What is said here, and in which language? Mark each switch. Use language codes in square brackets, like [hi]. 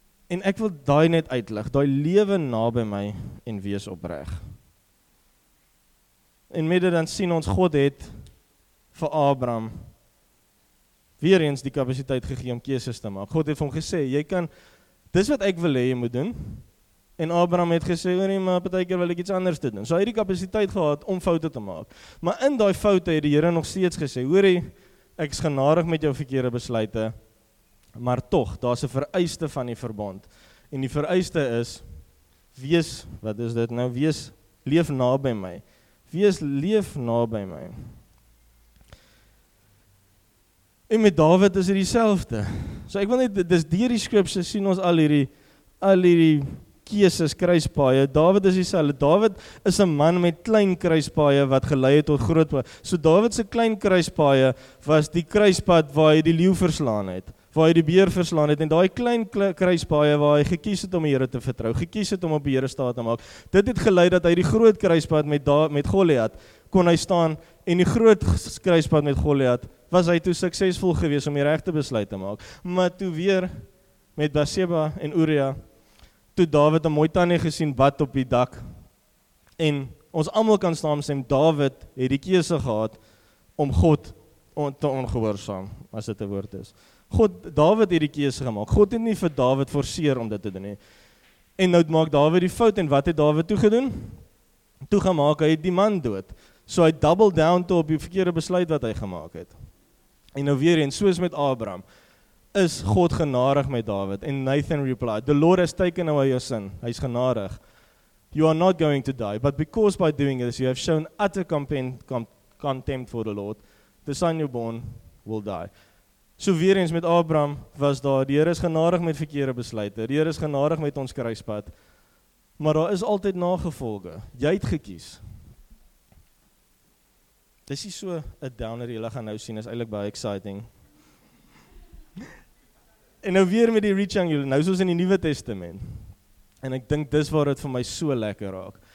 [af] En ek wil daai net uitlig, daai lewe naby my en wees opreg. En met dit dan sien ons, God het vir Abraham weer eens die kapasiteit gegee om keuses te maak. God het vir hom gesê, jy kan, dis wat ek wil hê jy moet doen. En Abraham het gesê, oor nie, maar partykeer wil ek iets anders doen. So hy het die kapasiteit gehad om foute te maak. Maar in die foute het die Here nog steeds gesê, hoorie, ek is genadig met jou verkeerde besluite, maar toch, daar is 'n vereiste van die verbond. En die vereiste is, wees, wat is dit nou, wees, leef na by my. Wees, leef na by my. En met David is dit dieselfde. So ek wil net, dis deur die skripse sien ons al hierdie keuses, kruispaaie. David is dieselfde. David is 'n man met klein kruispaaie wat gelei het tot groot. So David se klein kruispaaie was die kruispad waar hy die leeu verslaan het, waar hy die beer verslaan het en daai klein kruispaaie waar hy gekies het om die Here te vertrou, gekies het om op die Here staat te maak. Dit het gelei dat hy die groot kruispad met Goliat kon hy staan en die groot kruispad met Goliat was hy toe suksesvol gewees om die regte besluit te maak. Maar toe weer met Bathsheba en Uria, toe David 'n mooi tannie gesien wat op die dak en ons almal kan saamstem, David het die keuse gehad om God te ongehoorsaam, as dit 'n woord is. God, David het die keuse gemaak. God het nie vir David forceer om dit te doen nie. En nou maak David die fout en wat het David toe gedoen? Toe gemaak hy die man dood. So hy double down toe op die verkeerde besluit wat hy gemaak het. En nou weer en soos met Abraham, is God genadig met David. [en] En Nathan replied, the Lord has taken away your sin. [af] Hy is genadig. [en] You are not going to die, but because by doing this, you have shown utter contempt for the Lord, the son you born will die. [af] So weer eens met Abraham was daar, die Here is genadig met verkeerde besluite, die Here is genadig met ons kruispad, maar daar is altyd nagevolge. Jy het gekies. Dis nie so 'n downer jy gaan nou sien, is eintlik baie exciting. En nou weer met die rechangel, nou soos in die Nuwe Testament. En ek dink dis waar dit vir my so lekker raak.